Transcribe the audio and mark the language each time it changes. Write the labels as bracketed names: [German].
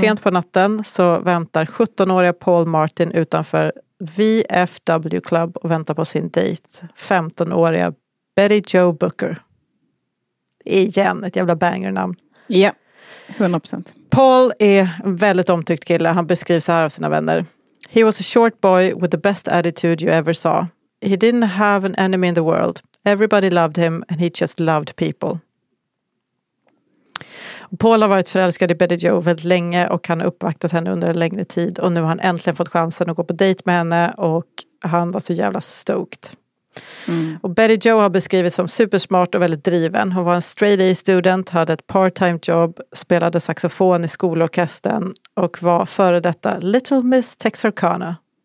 [Swedish] Sent på natten så väntar 17-åriga Paul Martin utanför VFW Club och väntar på sin dejt. 15-åriga Betty Jo Booker. Igen, ett jävla banger-namn. Ja, yeah. 100%. Paul är en väldigt omtyckt kille. Han beskrivs så här av sina vänner. [English] He was a short boy with the best attitude you ever saw. He didn't have an enemy in the world. Everybody loved him and he just loved people. [Swedish] Paul har varit förälskad i Betty Jo väldigt länge och han har uppvaktat henne under en längre tid. Och nu har han äntligen fått chansen att gå på dejt med henne och han var så jävla stoked. Mm. Och Betty Jo har beskrivits som supersmart och väldigt driven. Hon var en straight A student, hade ett part-time jobb, spelade saxofon i skolorkestern och var före detta Little Miss Texarkana.